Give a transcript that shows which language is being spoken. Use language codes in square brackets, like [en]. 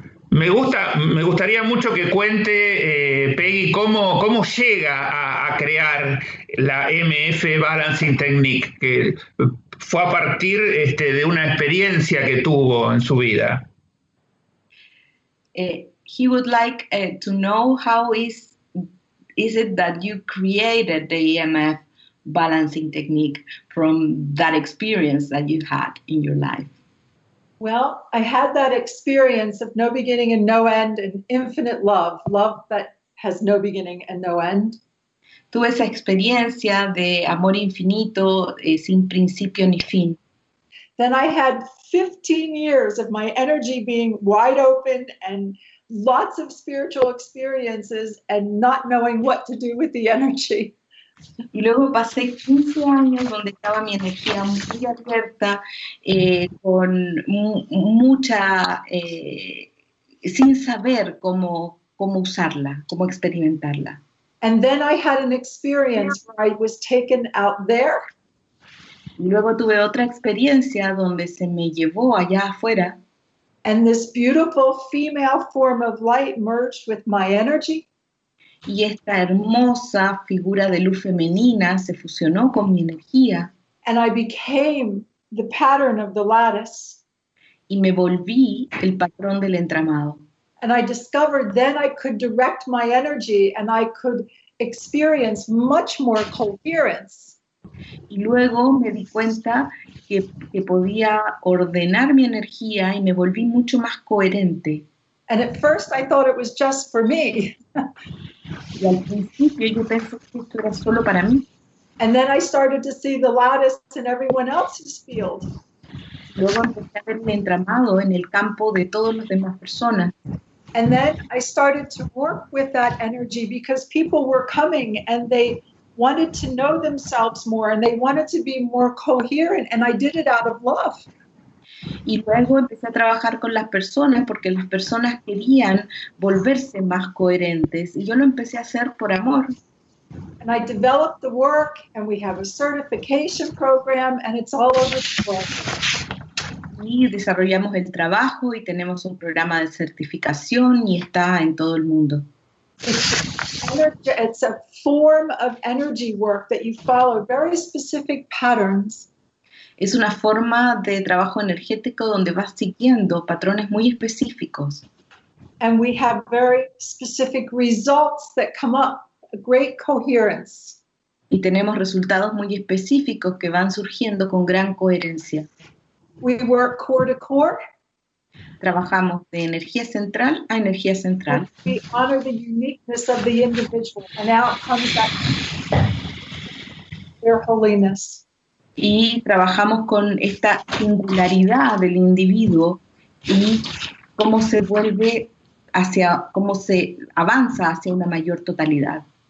[es] Me gustaría mucho que cuente, Peggy, cómo llega a crear la MF Balancing Technique, que fue a partir de una experiencia que tuvo en su vida. [en] He would like to know how is it that you created the EMF Balancing Technique from that experience that you had in your life. Well, I had that experience of no beginning and no end and infinite love, love that has no beginning and no end. [es] Tuve esa experiencia de amor infinito, sin principio ni fin. [en] Then I had 15 years of my energy being wide open and lots of spiritual experiences and not knowing what to do with the energy. [es] Y luego pasé 15 años donde estaba mi energía muy abierta, con mucha, sin saber cómo usarla, cómo experimentarla. [en] And then I had an experience where I was taken out there. [es] Y luego tuve otra experiencia donde se me llevó allá afuera. [en] And this beautiful female form of light merged with my energy. [es] Y esta hermosa figura de luz femenina se fusionó con mi energía. [en] And I became the pattern of the lattice. [es] Y me volví el patrón del entramado. [en] And I discovered then I could direct my energy and I could experience much more coherence. [es] Y luego me di cuenta que podía ordenar mi energía y me volví mucho más coherente. [en] And at first I thought it was just for me. [es] Y al principio yo pensé que esto era solo para mí. [en] And then I started to see the lattice in everyone else's field. [es] Luego empecé a ver el entramado en el campo de todas las demás personas. [en] And then I started to work with that energy because people were coming and they wanted to know themselves more and they wanted to be more coherent and I did it out of love. [es] Y luego empecé a trabajar con las personas porque las personas querían volverse más coherentes. Y yo lo empecé a hacer por amor. [en] And I developed the work and we have a certification program and it's all over the world. [es] Y desarrollamos el trabajo y tenemos un programa de certificación y está en todo el mundo. [en] It's a form of energy work that you follow very specific patterns. [es] Es una forma de trabajo energético donde vas siguiendo patrones muy específicos. [en] And we have very specific results that come up, a great coherence. [es] Y tenemos resultados muy específicos que van surgiendo con gran coherencia. [en] We work core to core. [es] Trabajamos de energía central a energía central. [en] And we honor the uniqueness of the individual and out comes that their holiness. [es] Y trabajamos con esta singularidad del individuo y cómo se vuelve hacia, cómo se avanza hacia una mayor totalidad.